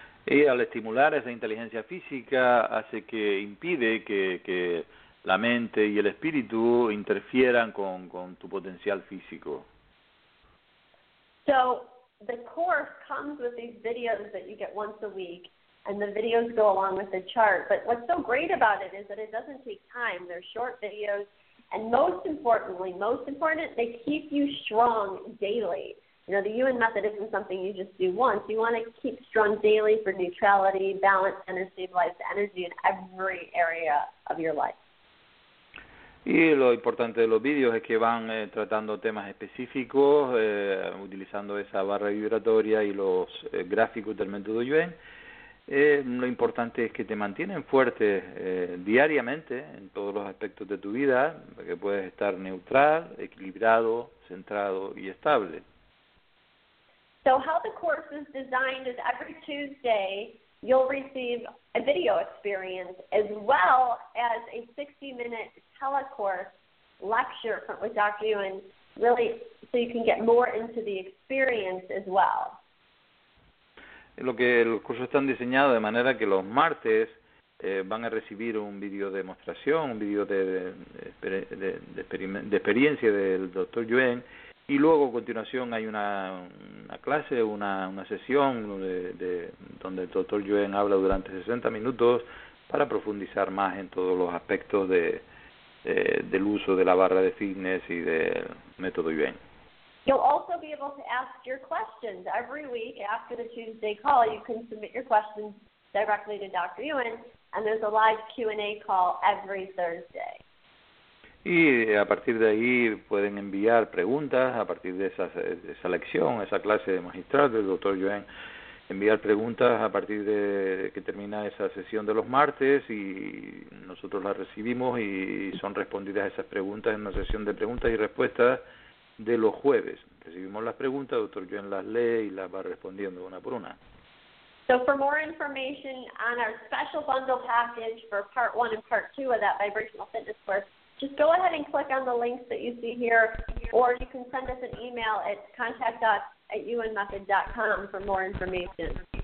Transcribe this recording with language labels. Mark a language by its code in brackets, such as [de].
[es] Y al estimular esa inteligencia física, hace que impide que la mente y el espíritu interfieran con tu potencial físico. [en] So the course comes with these videos that you get once a week, and the videos go along with the chart. But what's so great about it is that it doesn't take time. They're short videos. And most important, they keep you strong daily. You know, the Yuen method isn't something you just do once. You want to keep strong daily for neutrality, balance, and stabilized energy in every area of your life. [es] Y lo importante de los vídeos es que van tratando temas específicos, utilizando esa barra vibratoria y los gráficos del método Yuen. Lo importante es que te mantienen fuerte diariamente en todos los aspectos de tu vida, que puedes estar neutral, equilibrado, centrado y estable. [en] So how the course is designed is every Tuesday you'll receive a video experience as well as a 60-minute telecourse lecture with Dr. Yuen, really, so you can get more into the experience as well. [es] Lo que los cursos están diseñados de manera que los martes van a recibir un video de demostración, un video de experiencia del Dr. Yuen, y luego a continuación hay una clase, una sesión donde el Dr. Yuen habla durante 60 minutos para profundizar más en todos los aspectos del uso de la barra de fitness y del método Yuen. [en] You'll also be able to ask your questions every week after the Tuesday call. You can submit your questions directly to Dr. Yuen, and there's a live Q&A call every Thursday. [es] Y a partir de ahí pueden enviar preguntas a partir de esa lección, esa clase de magistral del Dr. Yuen, enviar preguntas a partir de que termina esa sesión de los martes, y nosotros las recibimos y son respondidas esas preguntas en una sesión de preguntas y respuestas de los jueves. Recibimos las preguntas, Dr. Yuen las lee y las va respondiendo una por una. [en] So for more information on our special bundle package for part one and part two of that vibrational fitness course, just go ahead and click on the links that you see here, or you can send us an email at contact@yuenmethod.com for more information.